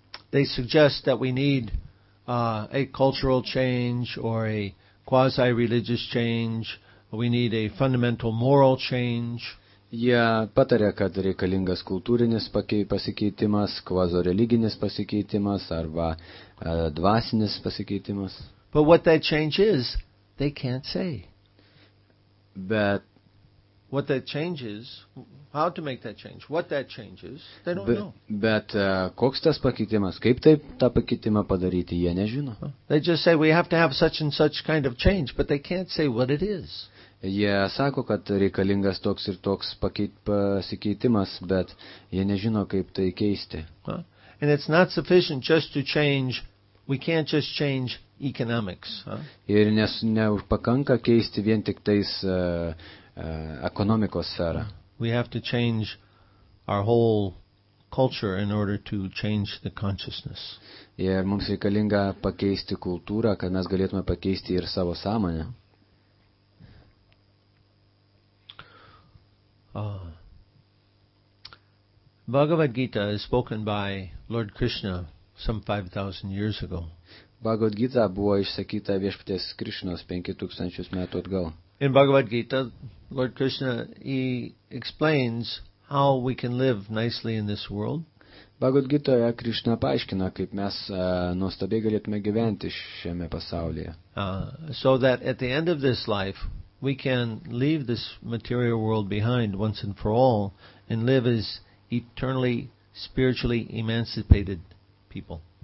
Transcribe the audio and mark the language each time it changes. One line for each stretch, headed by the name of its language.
English: They suggest that we need a cultural change or a quasi-religious change. We need a fundamental moral change.
Lithuanian: Jie patarė, kad reikalingas kultūrinis pasikeitimas, kvazoreliginis pasikeitimas arba dvasinis pasikeitimas.
English: But what that change is, they can't say. But what that change is, how to make that change, what that change is, they don't know.
Lithuanian: Bet koks tas pakeitimas, kaip taip tą pakeitimą padaryti, jie nežino.
English: They just say we have to have such and such kind of change, but they can't say what it is.
Lithuanian: Jie sako, kad reikalingas toks ir toks pasikeitimas, bet jie nežino, kaip tai keisti.
English: And it's not sufficient just to change, we can't just change economics.
Lithuanian: Ir neužpakanka keisti vien tik tais ekonomikos sferą.
English: We have to change our whole culture in order to change the consciousness.
Lithuanian: Ir mums reikalinga pakeisti kultūrą, kad mes galėtume pakeisti ir savo sąmonę.
English: Bhagavad Gita is spoken by Lord Krishna some 5,000 years ago.
Lithuanian: Bhagavad Gita buvo išsakyta viešpaties Krishnos 5,000 metų atgal.
English: In Bhagavad Gita, Lord Krishna, he explains how we can live nicely in this world.
Lithuanian: Bhagavad Gita, Krishna paaiškina, kaip mes nuostabiai galėtume gyventi šiame pasaulyje.
English: So that at the end of this life, we can leave this material world behind once and for all and live as eternally, spiritually emancipated people.